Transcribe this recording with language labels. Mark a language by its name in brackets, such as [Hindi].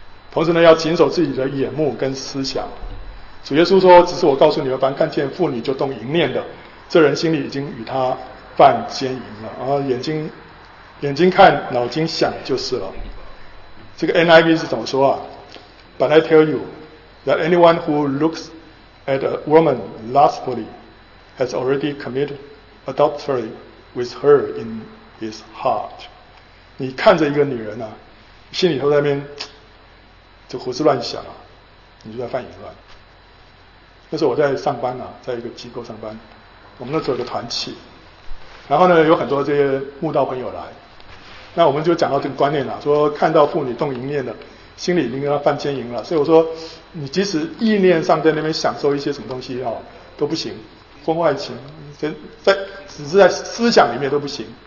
[Chinese] 同时呢，要谨守自己的眼目跟思想。主耶稣说，只是我告诉你们，凡看见妇女就动淫念的，这人心里已经与他犯奸淫了。啊，眼睛看，脑筋想就是了。这个 NIV 是怎么说啊？ [English] But I tell you that anyone who looks at a woman lustfully has already committed adultery with her in his heart. [Chinese] 你看着一个女人啊，心里头在那边就胡思乱想啊，你就在犯淫乱。那时候我在上班啊，在一个机构上班，我们那时候有个团契，然后呢有很多这些慕道朋友来，那我们就讲到这个观念啊，说看到妇女动淫念的心里已经跟她犯奸淫了，所以我说你即使意念上在那边享受一些什么东西啊，都不行，婚外情只是在思想里面都不行。